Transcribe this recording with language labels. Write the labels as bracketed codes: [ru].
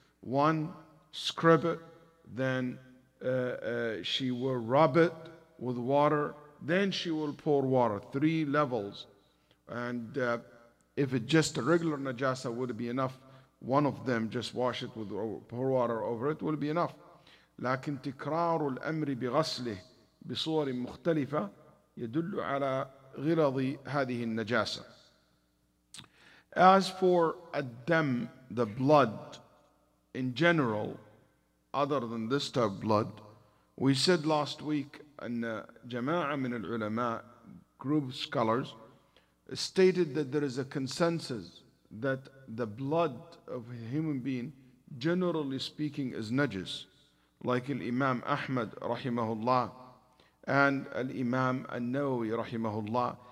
[en] One, scrub it, then she will rub it with water, then she will pour water, three levels. And if it's just a regular najasa, would it be enough? One of them, just wash it with pour water over it, will be enough. [ar] لكن تكرار الأمر بغسله بصور مختلفة يدل على غلظ هذه النجاسة. [en] As for الدم, the blood, in general, other than this type of blood, we said last week [ar] أن جماعة من العلماء, [en] group scholars, stated that there is a consensus that the blood of a human being, generally speaking, is najis, like Imam Ahmad rahimahullah and Imam An-Nawawi rahimahullah.